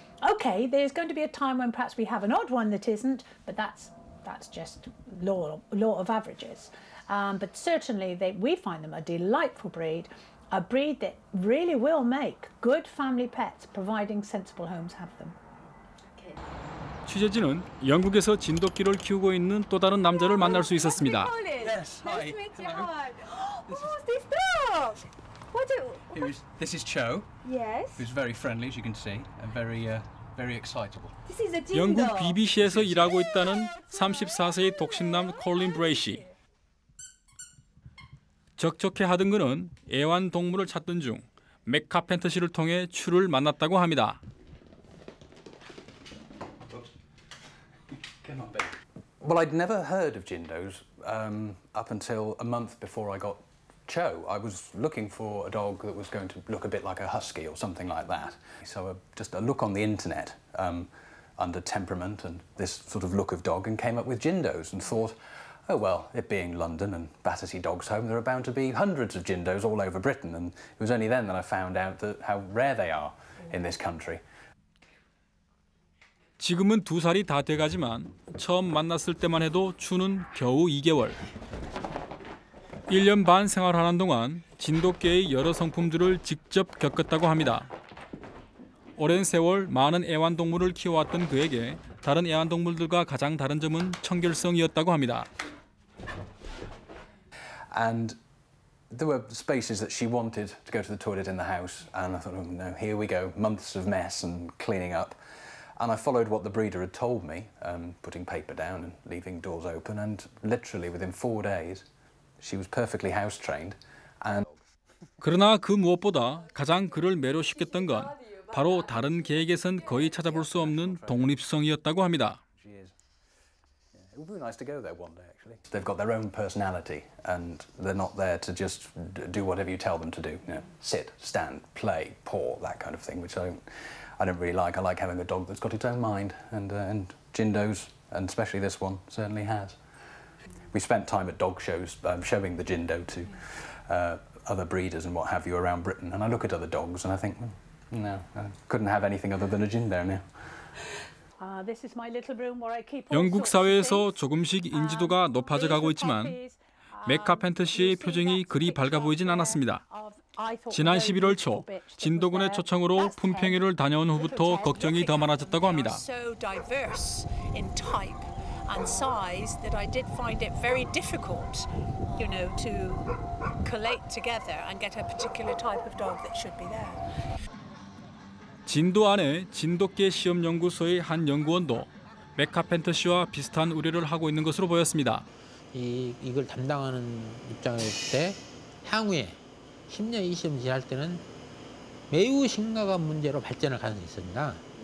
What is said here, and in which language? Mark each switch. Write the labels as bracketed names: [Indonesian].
[English] Okay, there's going to be a time when perhaps we have an odd one that isn't, but that's just law of averages. But certainly we find them a delightful breed, a breed that really will make good family pets, providing sensible homes have them. Okay. [Korean] 취재진은 영국에서 진돗개를 키우고 있는 또 다른 남자를 만날 수 있었습니다. [English] Yes, hi. Nice to meet you. Hi. Oh, what's this dog? This is Cho. Yes. Who's very friendly, as you can see, and very, very excitable. This is a Jindo. [Korean] 영국 BBC에서 일하고 있다는 34세의 독신남 콜린 브레이시. 적적해 하던 그는 애완동물을 찾던 중 맥카펜터 씨를 통해 추를 만났다고 합니다. [English] Well, I'd never heard of Jindos up until a month before I got. Cho, I was looking for a dog that was going to look a bit like a husky or something like that. So just a look on the internet under temperament and this sort of look of dog and came up with Jindos and thought, oh well, it being London and Battersea Dogs Home, there are bound to be hundreds of Jindos all over Britain. And it was only then that I found out that how rare they are in this country. [Korean] 지금은 두 살이 다 돼가지만 처음 만났을 때만 해도 추는 겨우 2개월. 1년 반 생활하는 동안 진돗개의 여러 성품들을 직접 겪었다고 합니다. 오랜 세월 많은 애완동물을 키워왔던 그에게 다른 애완동물들과 가장 다른 점은 청결성이었다고 합니다. [English] And there were spaces that she wanted to go to the toilet in the house, and I thought, oh, no, here we go, months of mess and cleaning up. And I followed what the breeder had told me, putting paper down and leaving doors open, and literally within 4 days. She was perfectly house trained. And [Korean] 그러나 그 무엇보다 가장 그를 매료시켰던 건 바로 다른 개에게선 거의 찾아볼 수 없는 독립성이었다고 합니다. [English] It would be nice to go there one day actually. They've got their own personality and they're not there to just do whatever you tell them to do. You know, sit, stand, play, paw, that kind of thing, which I don't really like. I like having a dog that's got its own mind and Jindos and especially this one certainly has. We spent time at dog shows showing the Jindo to other breeders and what have you around Britain. And I look at other dogs and I think, no, I couldn't have anything other than a Jindo now. This is my little room where I keep. [Korean] 영국 사회에서 조금씩 인지도가 높아져 가고 있지만 맥카펜터 씨의 표정이 그리 밝아 보이진 않았습니다. 지난 11월 초 진도군의 초청으로 품평회를 다녀온 후부터 걱정이 더 많아졌다고 합니다. [English] And size that I did find it very difficult, you know, to collate together and get a particular type of dog that should be there. [Korean] 진도 안에 진돗개 시험 연구소의 한 연구원도 맥카펜터 씨와 비슷한 우려를 하고 있는 것으로 보였습니다. 이걸 담당하는 입장일 때 향후에 10년 20년 지날 때는 매우 심각한 문제로 발전할 가능성이 있습니다.